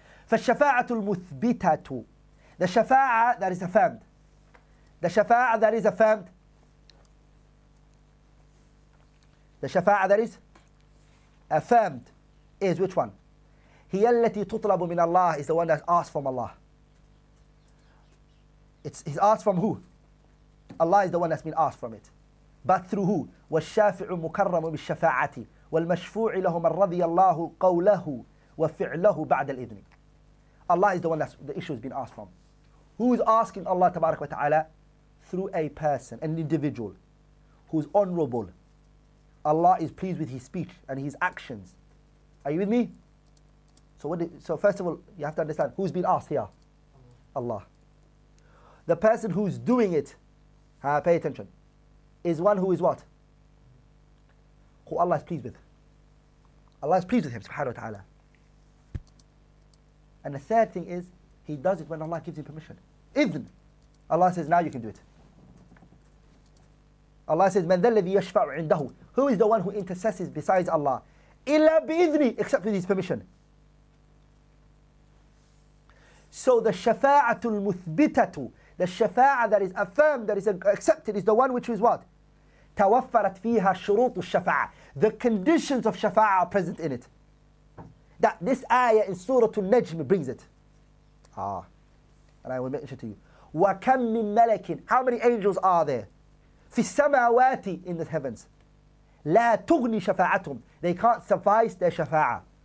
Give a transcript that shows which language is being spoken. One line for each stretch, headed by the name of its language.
Arabic: فالشفاعة المثبتة,
English: the شفاعة that is affirmed, the شفاعة that is affirmed, the شفاعة that is affirmed is which one?
Arabic: هي التي تطلب من الله,
English: is the one that's asked from Allah. He's asked from who? Allah is the one that's been asked from it. But through who?
Arabic: والشافع مكرم بالشفاعة والمشفوع له من رضي الله قوله وفعله بعد الإذن.
English: Allah is the one that the issue has been asked from. Who is asking Allah tabarak wa ta'ala? Through a person, an individual, who's honorable. Allah is pleased with his speech and his actions. Are you with me? So what? So first of all, you have to understand who's being asked here. Allah. The person who's doing it, pay attention, is one who is what? Who Allah is pleased with. Allah is pleased with him, subhanahu wa ta'ala. And the third thing is, he does it when Allah gives him permission. Even Allah says, now you can do it. Allah says,
Arabic: من ذا الذي يشفع عنده?
English: Who is the one who intercesses besides Allah?
Arabic: إلا بإذني,
English: except with his permission. So the shafa'atul muthbitatu, the shafa'ah that is affirmed, that is accepted, is the one which is what?
Arabic: توفرت فيها شروط الشفاعه.
English: The conditions of shafa'ah are present in it. That this ayah in Surah Al-Najm brings it. Ah. And I will mention to you.
Arabic: وَكَمْ مِنْ مَلَكٍ
English: How many angels are there?
Arabic: فِي السَّمَاوَاتِ
English: In the heavens.
Arabic: لَا تُغْنِي شَفَاعَتُهُمْ
English: They can't suffice their shafa'ah.